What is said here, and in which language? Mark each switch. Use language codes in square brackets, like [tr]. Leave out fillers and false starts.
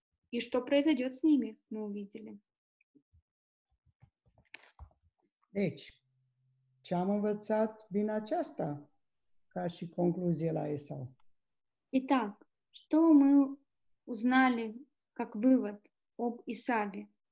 [ru] И что произойдет с ними, мы увидели. [ro] Deci, ce am învățat din aceasta, ca și concluzie la Esau? [ru] Итак, что мы узнали как вывод об Исаве?